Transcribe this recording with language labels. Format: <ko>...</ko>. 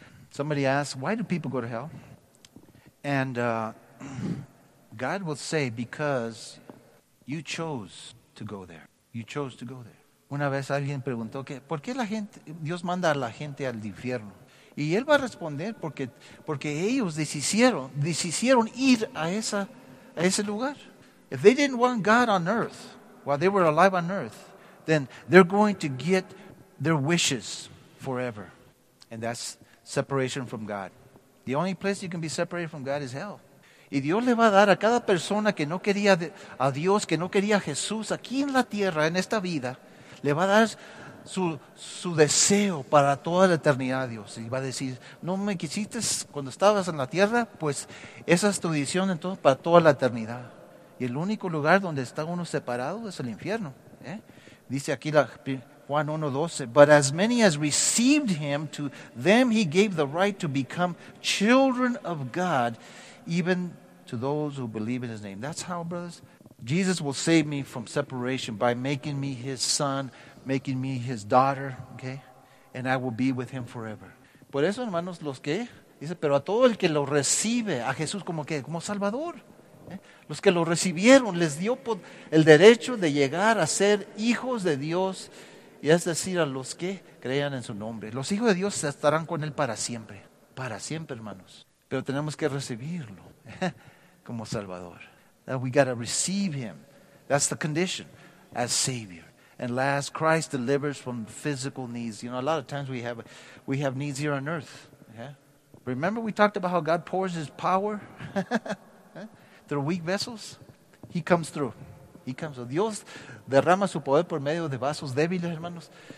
<en>Somebody asks, why do people go to hell? And God will say, because you chose to go there. You chose to go there.</en> <es>Una vez alguien preguntó, ¿por qué Dios manda a la gente al infierno? Y él va a responder porque ellos deshicieron ir a ese lugar.</es> <en>If they didn't want God on earth while they were alive on earth, then they're going to get their wishes forever. And that's separation from God. The only place you can be separated from God is hell.</en> <es>Y Dios le va a dar a cada persona que no quería a Dios, que no quería a Jesús aquí en la tierra, en esta vida, le va a dar su deseo para toda la eternidad, Dios. Y va a decir, no me quisiste cuando estabas en la tierra, pues esa es tu decisión entonces para toda la eternidad. Y el único lugar donde está uno separado es el infierno. Dice aquí</es> <en>Juan 1:12, but as many as received him, to them he gave the right to become children of God, even to those who believe in his name. That's how, brothers, Jesus will save me from separation by making me his son, making me his daughter, okay? And I will be with him forever.</en> <es>Por eso, hermanos, los que, dice, pero a todo el que lo recibe, a Jesús como que, como Salvador, los que lo recibieron, les dio el derecho de llegar a ser hijos de Dios, y es decir, a los que crean en su nombre. Los hijos de Dios estarán con él para siempre, hermanos. Pero tenemos que recibirlo como Salvador.</es> <en>That we got to receive him. That's the condition, as Savior. And last, Christ delivers from physical needs. You know, a lot of times we have needs here on earth. Yeah? Remember we talked about how God pours his power through weak vessels? He comes through. He comes through.</en> <es>Dios derrama su poder por medio de vasos débiles, hermanos.</es>